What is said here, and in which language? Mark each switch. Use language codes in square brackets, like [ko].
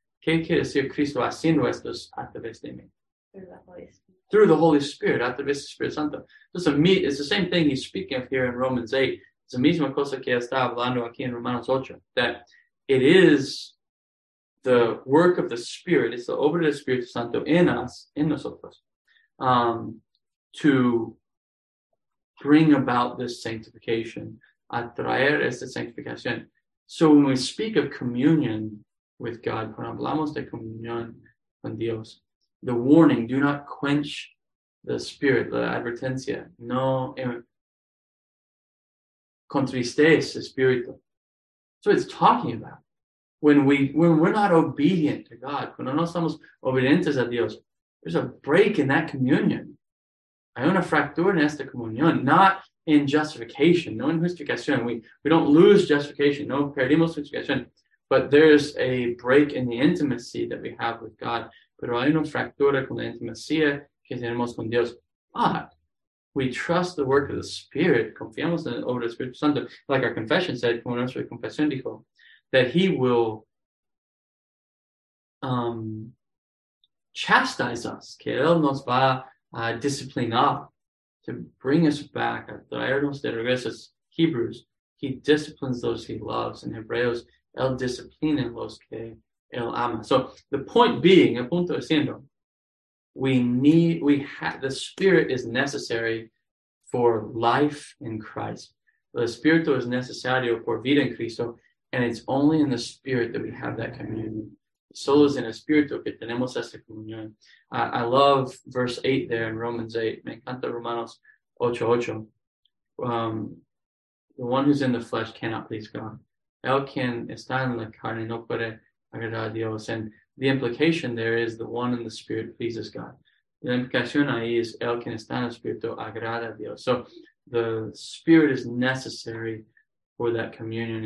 [es] ¿Qué quiere decir Cristo haciendo estos a través de mí? [en] Through the Holy Spirit. Through the Holy Spirit, [es] a través del Espíritu Santo. [en] Entonces, it's the same thing he's speaking of here in Romans 8. [es] Es la misma cosa que está hablando aquí en Romanos 8. [en] That it is the work of the Spirit. It's the [es] obra del Espíritu Santo [en] in us, in nosotros. To bring about this sanctification. [es] A traer esta sanctificación. [en] So when we speak of communion with God, [es] cuando hablamos de comunión con Dios, [en] the warning, do not quench the Spirit, [es] la advertencia, no contristes Espíritu. [en] So it's talking about when we're not obedient to God, [es] cuando no somos obedientes a Dios, [en] there's a break in that communion. [es] Hay una fractura en esta comunión, [en] not in justification, [es] no in justification. [en] We don't lose justification, [es] no perdimos justification. [en] But there's a break in the intimacy that we have with God. [es] Pero hay una fractura con la intimacía que tenemos con Dios. [en] But we trust the work of the Spirit. [es] Confiamos en el obra del Espíritu Santo. [en] Like our confession said, [es] como nuestra confesión dijo, [en] that he will chastise us. [es] Que él nos va a disciplinar. [en] To bring us back, [es] a traernos de regreso, [en] Hebrews, he disciplines those he loves. [es] In Hebreos, él disciplina los que él ama. [en] So the point being, [es] el punto siendo, [en] the Spirit is necessary for life in Christ. [es] El Espíritu es necesario por vida en Cristo, [en] and it's only in the Spirit that we have that communion. [es] Solo es en el Espíritu que tenemos esta comunión. [en] I love verse 8 there in Romans 8. [es] Me encanta Romanos 8:8. [en] The one who's in the flesh cannot please God. [es] El quien está en la carne no puede agradar a Dios. [en] And the implication there is the one in the Spirit pleases God. [es] La implicación ahí es el quien está en el Espíritu agrada a Dios. [en] So the Spirit is necessary for that communion.